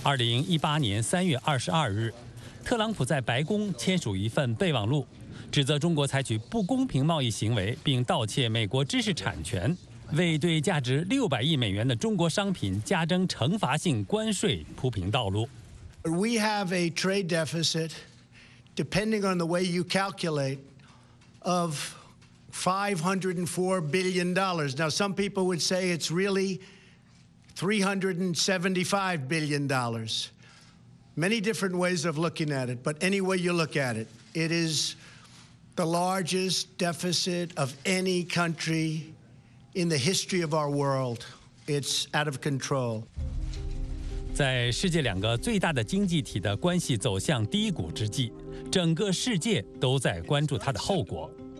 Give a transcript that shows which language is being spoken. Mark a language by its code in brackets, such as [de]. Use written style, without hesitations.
[zh] 2018年3月22日，特朗普在白宫签署一份备忘录，指责中国采取不公平贸易行为，并盗窃美国知识产权，为对价值600亿美元的中国商品加征惩罚性关税铺平道路。 [en] We have a trade deficit, depending on the way you calculate, of $504 billion. Now, some people would say it's really $375 billion. Many different ways of looking at it, but any way you look at it, it is the largest deficit of any country in the history of our world. It's out of control. [zh] 在世界两个最大的经济体的关系走向低谷之际，整个世界都在关注它的后果。